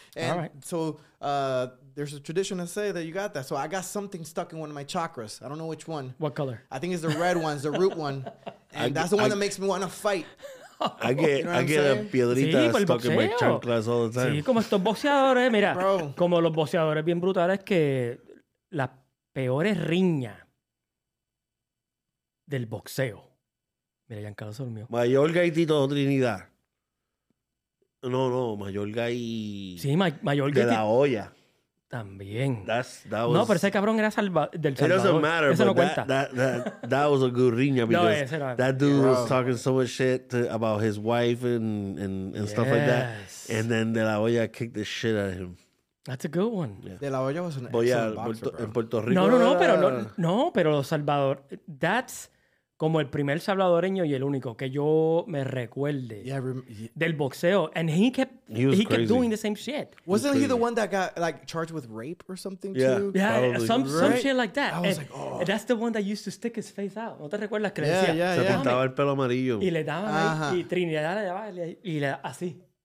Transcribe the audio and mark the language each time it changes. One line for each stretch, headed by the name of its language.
English: And so there's a tradition to say that you got that. So I got something stuck in one of my chakras. I don't know which one. What color? I think it's the red one. It's the root one. And that's the one that makes me want to fight. I get, you know, I get a piedrita stuck in my chanclas all the time.
Spanish: Sí, como estos boxeadores, mira, bro. Como los boxeadores bien brutales, que las peores riñas del boxeo. Mira, Giancarlo se durmió. Mayorga y Tito Trinidad. No, Mayorga y... Sí, Mayorga y... De la olla. También.
English: That was...
Spanish: No, pero ese cabrón era del Salvador.
English: It doesn't matter,
Spanish: ese
English: but
Spanish: no cuenta.
English: That was a good riña because was talking so much shit about his wife and stuff like that. And then De La Hoya kicked the shit out of him. That's a good one. Yeah. De La Hoya was an excellent boxer,
Spanish: en Puerto Rico. No, pero Salvador,
English: that's
Spanish: como el primer salvadoreño y el único que yo me recuerde del boxeo.
English: And he kept doing the same shit. Wasn't he the one that got like charged with rape or something too? Yeah, some shit like that. I was like, that's the one that used to stick his face out.
Spanish: ¿No te recuerdas? Que se pintaba el pelo amarillo. Y le daban ahí, y Trinidad le daba y le así.